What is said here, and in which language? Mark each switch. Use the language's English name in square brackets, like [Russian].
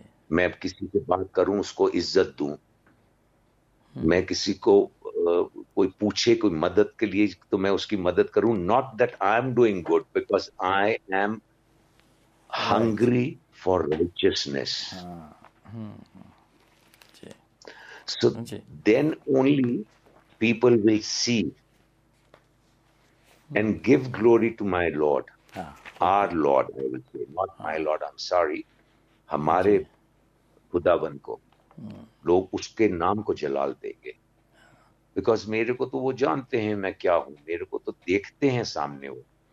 [Urdu] میں کسی سے بات کروں اس کو عزت دوں, میں کسی کو کوئی پوچھے کوئی مدد کے لیے تو میں اس کی مدد کروں, [English] not that I am doing good because I am hungry for righteousness. So then only people will see and give glory to my Lord, our Lord, I will say, not my Lord, I'm sorry, [Urdu] ہمارے خداوند کو لوگ اس کے نام کو جلال دیں گے. Because میرے کو تو وہ جانتے ہیں میں کیا ہوں, میرے کو تو دیکھتے ہیں سامنے وہ.